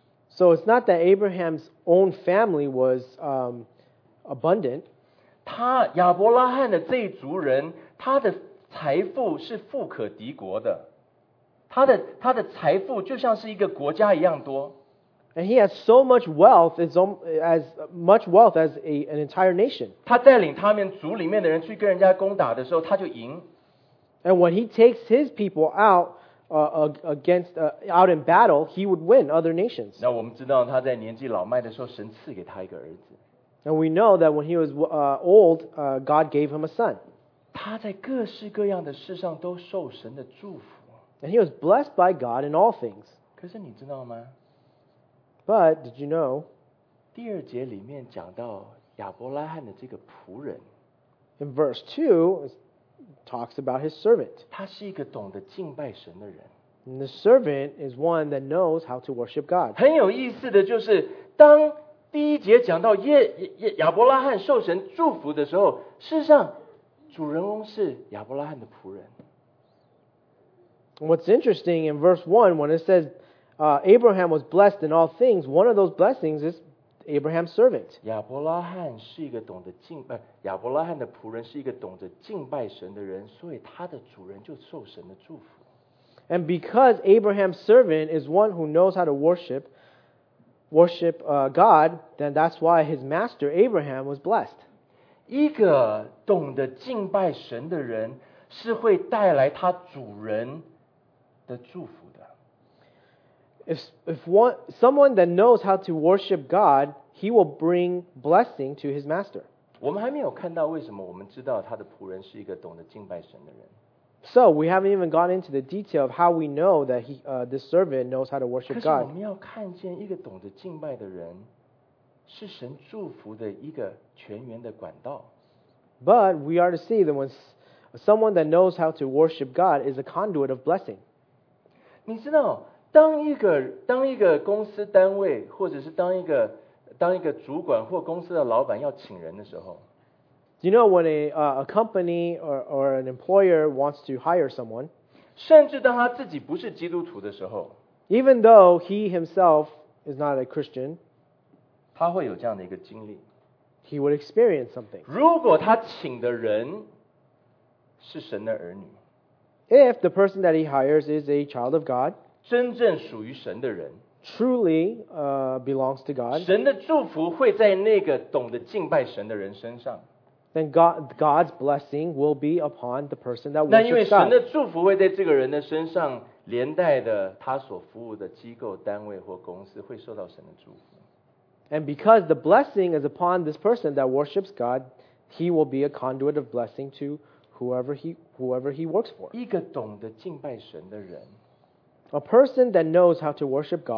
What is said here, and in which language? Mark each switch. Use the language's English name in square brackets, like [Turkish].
[English] So it's not that Abraham's own family was abundant. [Chinese] 他亚伯拉罕的这一族人，他的财富是富可敌国的。他的财富就像是一个国家一样多。 [English] And he has so much wealth, as much wealth as an entire nation. [Chinese] 他带领他们族里面的人去跟人家攻打的时候，他就赢。 [English] And when he takes his people out out in battle, he would win other nations. [Chinese] 那我们知道他在年纪老迈的时候，神赐给他一个儿子。 [English] And we know that when he was old, God gave him a son. [Chinese] 他在各式各样的事上都受神的祝福。 [English] And he was blessed by God in all things. [Chinese] 可是你知道吗？ [English] But did you know? [Chinese] 第二节里面讲到亚伯拉罕的这个仆人。 [English] In verse 2,talks about his servant. [Chinese] 他是一个懂得敬拜神的人。 [English] And the servant is one that knows how to worship God. [Chinese] 很有意思的就是，当第一节讲到亚伯拉罕受神祝福的时候，事实上，主人公是亚伯拉罕的仆人。 [English] What's interesting in verse 1, when it says, Abraham was blessed in all things, one of those blessings is Abraham's servant. [Chinese] 亚伯拉罕是一个懂得敬拜，亚伯拉罕的仆人是一个懂得敬拜神的人，所以他的主人就受神的祝福。 [English] And because Abraham's servant is one who knows how to worship God, then that's why his master Abraham was blessed. [Chinese] 一个懂得敬拜神的人是会带来他主人的祝福。 [English] If someone that knows how to worship God, he will bring blessing to his master. [Chinese] 我们还没有看到为什么我们知道他的仆人是一个懂得敬拜神的人。 [English] So we haven't even gotten into the detail of how we know that this servant knows how to worship God. [Chinese] 可是我们要看见一个懂得敬拜的人是神祝福的一个全源的管道。 [English] But we are to see that when someone that knows how to worship God is a conduit of blessing. [Chinese] 你知道，当一个公司单位，或者是当一个主管或公司的老板要请人的时候。 [English] Do you know when a company or an employer wants to hire someone? [Chinese] 甚至当他自己不是基督徒的时候。 [English] Even though he himself is not a Christian, [Chinese] 他会有这样的一个经历。 [English] He would experience something. [Chinese] 如果他请的人是神的儿女。 [English] If the person that he hires is a child of God, [Chinese] 真正属于神的人。 [English] Truly, belongs to God. [Chinese] 神的祝福会在那个懂得敬拜神的人身上。 [English] Then God's blessing will be upon the person that worships God. [Chinese] 那因为神的祝福会在这个人的身上，连带的他所服务的机构、单位或公司会受到神的祝福。 [English] And because the blessing is upon this person that worships God, he will be a conduit of blessing to whoever he works for. [Chinese] 一个懂得敬拜神的人。 [English] A person that knows how to worship God,